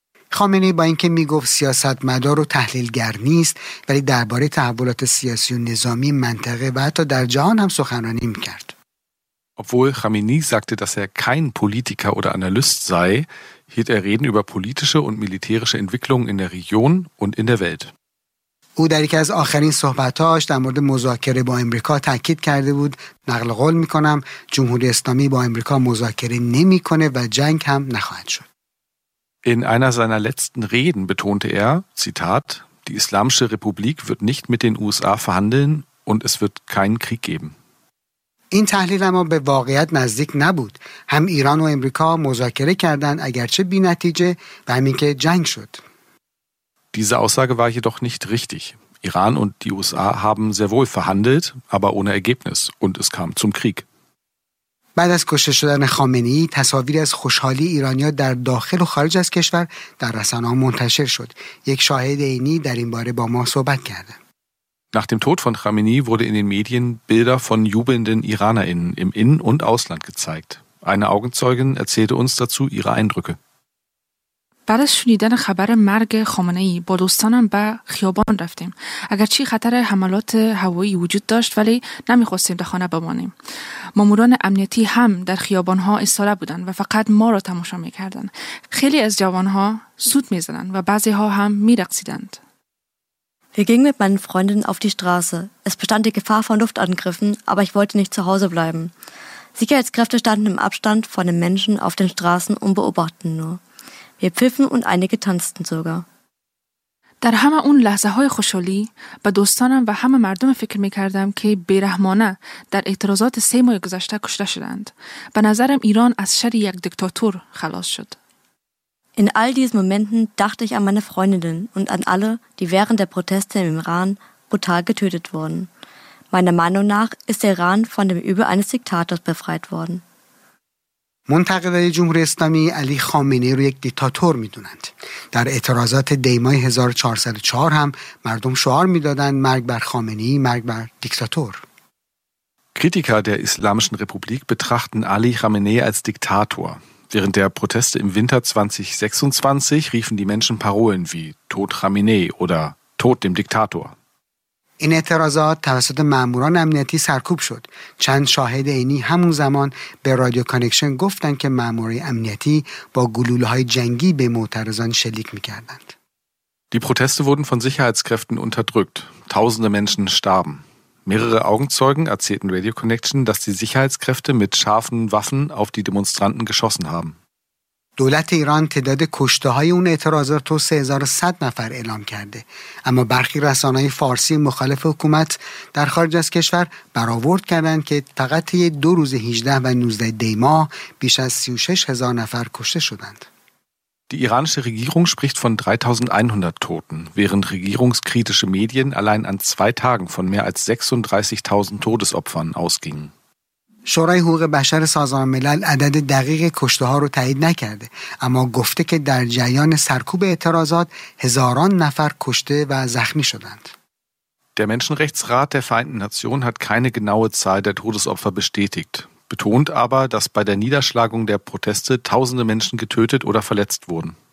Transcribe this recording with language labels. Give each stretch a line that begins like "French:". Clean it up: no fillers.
Persian: Khamenei با اینکه میگفت سیاستمدار و تحلیلگر نیست، ولی درباره تحولات سیاسی و نظامی منطقه و حتی در جهان هم سخنرانی می‌کرد.
German: Obwohl Khamenei sagte, dass er kein Politiker oder Analyst sei, hielt er Reden über politische und militärische Entwicklungen in der Region und in der Welt.
Persian: او در یکی از آخرین صحبت‌هاش در مورد مذاکره با آمریکا تأکید کرده بود، نقل قول می‌کنم، جمهوری اسلامی با آمریکا مذاکره نمی‌کنه و جنگ هم نخواهد شد.
German: In einer seiner letzten Reden betonte er, Zitat, die Islamische Republik wird nicht mit den USA verhandeln und es wird keinen Krieg geben.
Persian: این تحلیل اما به واقعیت نزدیک نبود. هم ایران و آمریکا مذاکره کردند اگرچه بی‌نتیجه و همین که جنگ شد.
German: Diese Aussage war jedoch nicht richtig. Iran und die USA haben sehr wohl verhandelt, aber ohne Ergebnis und es kam zum Krieg.
Persian: بعد از کشته شدن خامنه‌ای، تصاویری از خوشحالی ایرانی‌ها در داخل و خارج از کشور در رسانه‌ها منتشر شد. یک شاهد عینی در این باره با ما صحبت کرد.
German: Nach dem Tod von Khamenei wurde in den Medien Bilder von jubelnden IranerInnen im In- und Ausland gezeigt. Eine Augenzeugin erzählte uns dazu ihre Eindrücke.
Persian: بعد از شنیدن خبر مرگ خامنه‌ای با دوستانم به خیابان رفتیم. اگرچه خطر حملات هوایی وجود داشت ولی نمی‌خواستیم در خانه بمانیم. ماموران امنیتی هم در خیابان‌ها ایستاده بودند و فقط ما را تماشا می‌کردند. خیلی از جوان‌ها سوت می‌زدند و بعضی‌ها هم می‌رقصیدند.
German: Wir gingen mit meinen Freundinnen auf die Straße. Es bestand die Gefahr von Luftangriffen, aber ich wollte nicht zu Hause bleiben. Sicherheitskräfte standen im Abstand von den Menschen auf den Straßen und beobachteten nur. Wir pfiffen und einige tanzten sogar.
Persian: در همه اون لحظه‌های خوشحالی با دوستانم و همه مردم فکر می‌کردم که بی‌رحمانه در اعتراضات 3 ماه گذشته کشته شدند. به نظرم ایران از شر یک دیکتاتور خلاص شد.
German: In all diesen Momenten dachte ich an meine Freundinnen und an alle, die während der Proteste im Iran brutal getötet wurden. Meiner Meinung nach ist der Iran von dem Übel eines Diktators befreit worden.
Persian: منتقدان جمهوری اسلامی علی خامنه‌ای رو یک دیکتاتور می‌دونند. در اعتراضات دیمای 1404 هم مردم شعار می‌دادند مرگ بر خامنه‌ای، مرگ بر دیکتاتور.
German: Kritiker der Islamischen Republik betrachten Ali Khamenei als Diktator. Während der Proteste im Winter 2026 riefen die Menschen Parolen wie Tod Khamenei oder Tod dem Diktator.
Persian: این اعتراضات توسط ماموران امنیتی سرکوب شد. چند شاهد عینی همون زمان به رادیو کانکشن گفتند که ماموران امنیتی با گلوله‌های جنگی به معترضان شلیک می‌کردند.
German: Die Proteste wurden von Sicherheitskräften unterdrückt. Tausende Menschen starben. Mehrere Augenzeugen erzählten Radio Connection, dass die Sicherheitskräfte mit scharfen Waffen auf die Demonstranten geschossen haben.
Persian: دولت ایران تعداد کشته‌های اون اعتراضات رو 3100 نفر اعلام کرده، اما برخی رسانه‌های فارسی مخالف حکومت در خارج از کشور برآورد کردند که فقط طی 2 روز 18 و 19 دی ماه بیش از 36000 نفر کشته شدند.
German: Die iranische Regierung spricht von 3100 Toten, während regierungskritische Medien allein an 2 Tagen von mehr als 36000 Todesopfern ausgingen.
Persian: شورای حقوق بشر سازمان ملل عدد دقیق کشته‌ها رو تایید نکرده، اما گفته که در جریان سرکوب اعتراضات هزاران نفر کشته و زخمی شدند.
German: Der Menschenrechtsrat der Vereinten Nationen hat keine genaue Zahl der Todesopfer bestätigt, betont aber, dass bei der Niederschlagung der Proteste tausende Menschen getötet oder verletzt wurden.